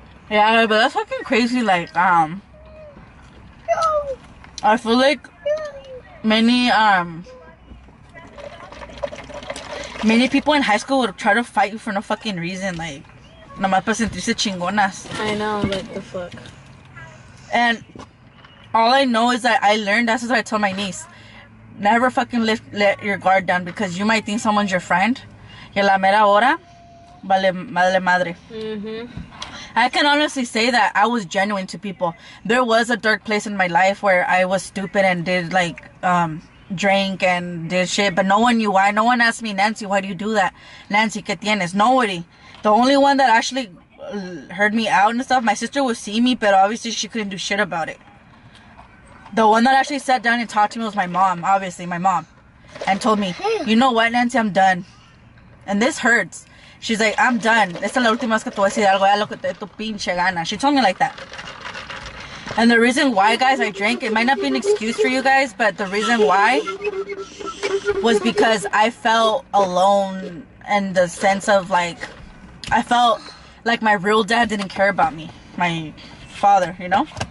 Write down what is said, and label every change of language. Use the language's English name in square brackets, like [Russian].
[English] Yeah, but that's fucking crazy. Like, I feel like many people in high school would try to fight you for no fucking reason. [Spanish] Like, nomás para sentirse chingonas. [English] I know, like, the fuck. And all I know is that I learned, that's what I told my niece. Never fucking let your guard down because you might think someone's your friend. [Spanish] Y la mera hora, vale madre. [English] I can honestly say that I was genuine to people. There was a dark place in my life where I was stupid and did, like, drink and did shit. But no one knew why. No one asked me, Nancy, why do you do that? Nancy, [Spanish] ¿qué tienes? [English] Nobody. The only one that actually heard me out and stuff, my sister would see me, but obviously she couldn't do shit about it. The one that actually sat down and talked to me was my mom, obviously, my mom. And told me, you know what, Nancy, I'm done. And this hurts. She's like, I'm done. [Spanish] Esta es la última vez que te voy a decir algo. Ya lo que te tu pinche gana. [English] She told me like that. And the reason why, guys, I drank, it might not be an excuse for you guys, but the reason why was because I felt alone in the sense of, like, I felt like my real dad didn't care about me, my father, you know?